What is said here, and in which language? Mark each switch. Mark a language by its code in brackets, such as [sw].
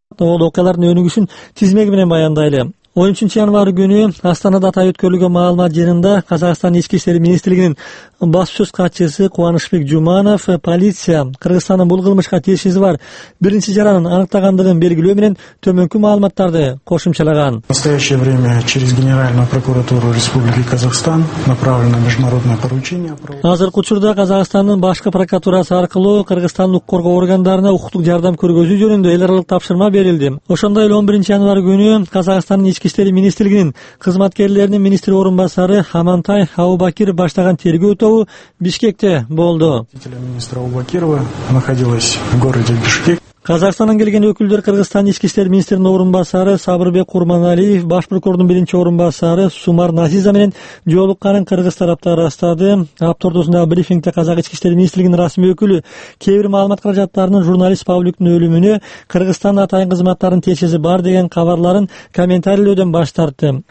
[ky] Оол окуялардын өнүгүшүн тизмеги менен баяндайлы. 13 январ күнү Астанада атайын өткөрүлгөн маалымат жыйынында Казакстан ички иштер министрлигинин башчы катчысы Кубанышбек Жуманов полиция Кыргызстандын бул кылмышка тиешеси бар биринчи жаранын аныктагандыгын белгилөө менен төмөнкү маалыматтарды кошумчалаган. [ru] В настоящее время через Генеральную прокуратуру Республики Казахстан направлено международное поручение. [ky] Азыркы учурда Казакстандын башкы прокуратурасы аркылуу Кыргызстандын укук коргоо органдарына укуктук жардам көргөзүү жөнүндө эл аралык тапшырма берилди. Ошондой эле 11 январ күнү Казакстандын ички иштер министрлигинин кызматкерлеринин министр орун басары Амантай Абубакир баштаган тергөө тобу Бишкекте болду. [ru] Министр Абубакирова находилась в городе Бишкек. [ky] Казакстандан келген өкүлдөр Кыргызстандын ички иштер министринин орун басары Сабырбек Курманалиев, баш прокурордун биринчи орун басары Сумар Назиза менен жолукканын кыргыз тарапта ырастады. Аптордосундагы брифингде казак ички иштер министрлигинин расмий өкүлү кээ бир маалымат каражаттарынын журналист Павлюктун өлүмүнө Кыргызстандын атайын кызматтарынын тиешеси бар деген кабарларын комментарийлөөдөн баш тартты.